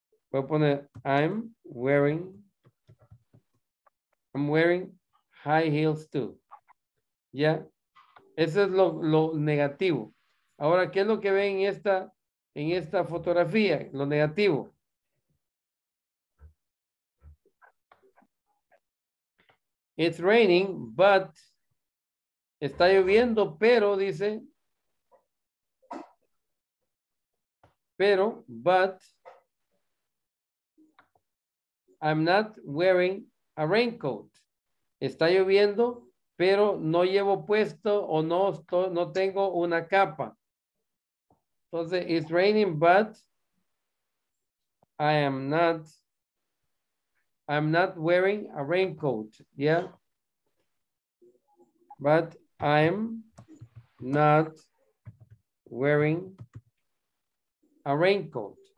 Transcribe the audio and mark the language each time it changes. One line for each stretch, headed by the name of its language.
Spanish: Voy a poner,
English: I'm wearing high heels too.
Spanish: ¿Ya? Eso es lo negativo. Ahora, ¿qué es lo que ven en esta fotografía? Lo negativo.
English: It's raining, but,
Spanish: está lloviendo, pero, dice, pero,
English: but, I'm not wearing a raincoat.
Spanish: Está lloviendo, pero no llevo puesto o no tengo una capa.
English: Entonces, it's raining, but I'm not wearing a raincoat. Yeah. But I'm not wearing a raincoat.